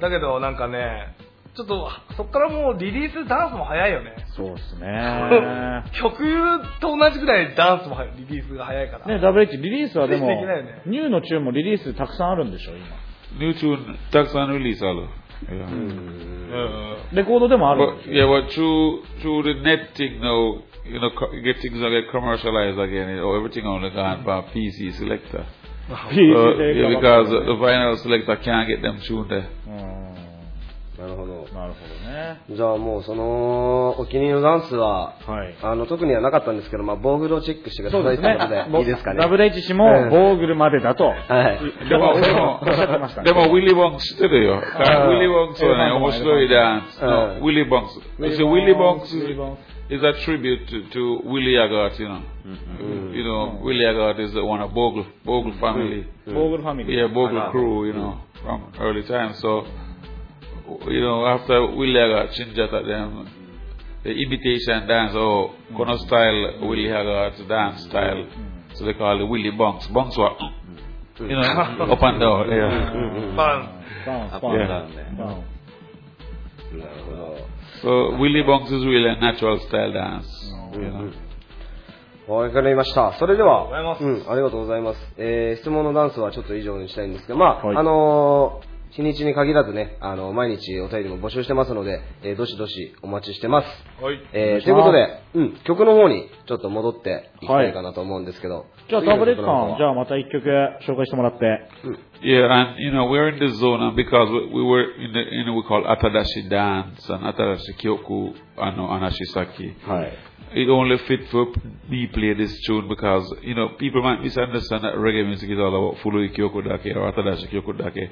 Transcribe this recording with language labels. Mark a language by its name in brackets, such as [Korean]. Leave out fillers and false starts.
[Japanese] だけどなんかね、ちょっとそっからもうリリースダンスも早いよね。そうですね。曲と同じくらいダンスもリリースが早いからね。ダブルHリリースはでもできないよね。ニューのチューンもリリースたくさんあるんでしょ今。ニューチューンたくさんリリースある。レコードでもある。 [English] But, yeah, but through the net thing now, you know, get things like commercialized again, or everything only gone by PC selector. PC yeah, because the vinyl selector can't get them tuned there. [Japanese] なるほど。なるほどね。じゃあもうそのお気に入りのダンスは、はい、あの特にはなかったんですけど、まあボーグルをチェックしてくださいということで、いいですかね。ダブルH氏もボーグルまでだと。はい。でも、でもウィリーボンク知ってるよ。ウィリーボンクはね、面白いダンス。 [English] ウィリーボンク。ウィリーボンク is a tribute to Willie Agard, you know. You know, Willie Agard is one of Bogle family. Bogle family. Yeah, Bogle crew, you know, from early times. So. You know, after Willie Agard changed that, then the imitation dance, or kind of style Willie Agard dance style, so they call it Willie Bunks. Bunks was You know, up and down. Yeah. [Japanese] バン。バン。バン。バン。バン。バン。 [English] So, Willie Bonks is really a natural style dance. [Japanese] わかりました。それでは、うん、ありがとうございます。質問のダンスはちょっと以上にしたいんですが、まあ、はい、日にちに限らずね、毎日お便りも募集してますので、どしどしお待ちしてます。はい。ということで、うん、曲の方にちょっと戻っていきたいかなと思うんですけど。はい、じゃあ、タブレットさん、じゃあまた一曲紹介してもらって。う [English] ん、yeah, and you know, we're in this zone because we were in the, you know, we call Atadashi Dance and [Japanese] Atadashi Kyoku Anashisaki. はい。 [English] It only fit for me play this tune because, you know, people might misunderstand that reggae music is all about [Japanese] Furui Kyoku Dake [English] or [Japanese] Atadashi Kyoku Dake.